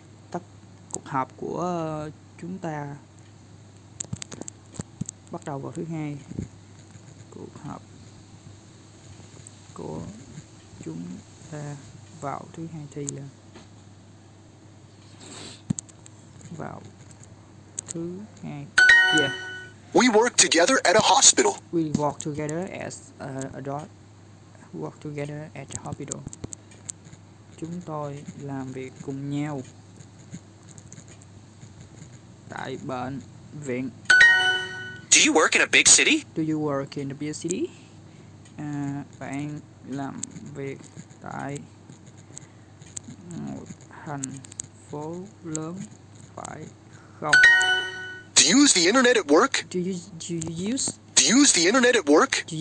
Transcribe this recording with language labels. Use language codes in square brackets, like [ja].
[vi] Tất cuộc họp của chúng ta bắt đầu vào thứ hai. Cuộc họp của chúng ta vào thứ hai thì là vào thứ hai. [en] Yeah. We work together at a hospital. We work together as a doctor. Work together at the hospital. [vi] Chúng tôi làm việc cùng nhau tại bệnh viện. [en] Do you work in a big city? [vi] Bạn làm việc tại một thành phố lớn phải không? [en] Do you use the internet at work? Do you use the internet at work?